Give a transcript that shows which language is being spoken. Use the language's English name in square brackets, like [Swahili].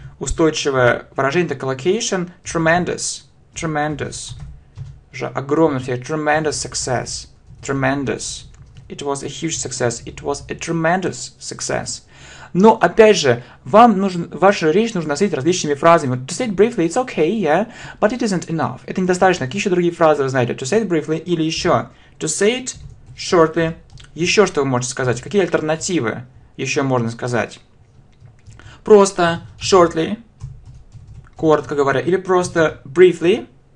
[Russian] Устойчивое выражение. Это collocation. Tremendous. Tremendous. Уже огромный успех. [English] Tremendous success. Tremendous. It was a huge success. It was a tremendous success. [Russian] Но, опять же, вам нужен, ваша речь нужно носить различными фразами. [English] To say it briefly, it's okay, yeah, but it isn't enough. [Russian] Это недостаточно. Какие еще другие фразы вы знаете? [English] To say it briefly [Russian] или еще? [English] To say it shortly. [Russian] Еще что вы можете сказать? Какие альтернативы еще можно сказать? Просто shortly, коротко говоря, или просто briefly.